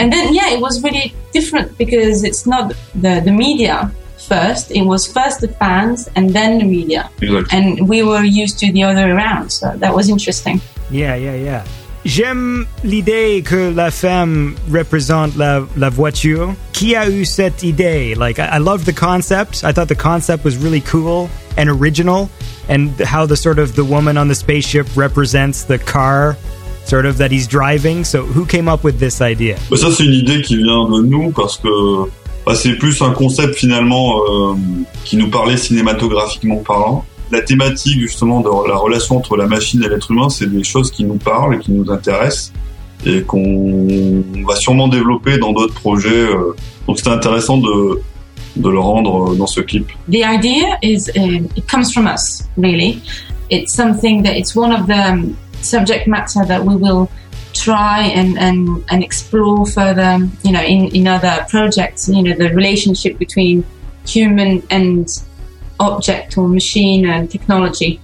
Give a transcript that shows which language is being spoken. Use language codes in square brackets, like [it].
[en] And then, yeah, it was really different because it's not the media. First, it was first the fans and then the media. Exactly. And we were used to the other around, so that was interesting. Yeah. [fr] J'aime l'idée que la femme représente la voiture. Qui a eu cette idée? [en] Like, I love the concept. I thought the concept was really cool and original. And how the sort of the woman on the spaceship represents the car, sort of, that he's driving. So who came up with this idea? [fr] Ça, c'est une idée qui vient de nous parce que... Bah, c'est plus un concept finalement qui nous parlait cinématographiquement parlant. La thématique justement de la relation entre la machine et l'être humain, c'est des choses qui nous parlent et qui nous intéressent et qu'on va sûrement développer dans d'autres projets. Donc c'était intéressant de le rendre dans ce clip. [en] The idea is it comes from us really. It's something that it's one of the subject matter that we will try and explore further, you know, in other projects, you know, the relationship between human and object or machine and technology.